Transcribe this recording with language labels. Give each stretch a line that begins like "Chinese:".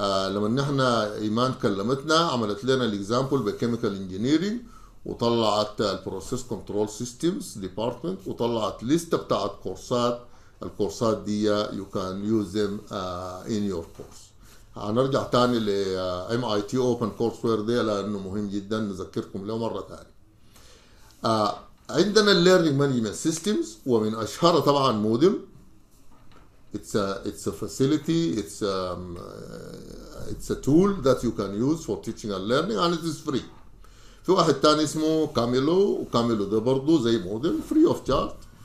Arabic: لما نحن إيمان كلمتنا عملت لنا الإكزامبل بكيميكال إنجينيرينج، وطلعت البروسيس كنترول سيستمز ديبارتمنت، وطلعت ليست بتاعت كورسات، الكورسات دي
English: You can use them in your course.
Arabic: هنرجع تاني لـ MIT أوبن كورس وير دي لأنه مهم جدا نذكركم له مرة تانية. عندنا الليرنينج مانجمنت سيستمز، ومن أشهرها طبعا مودل.
English: It's a facility, it's a tool that you can use for teaching and learning and it is free.
Arabic: في واحد تاني اسمه كاميلو، وكاميلو ده برضو زي موديل
English: free of charge.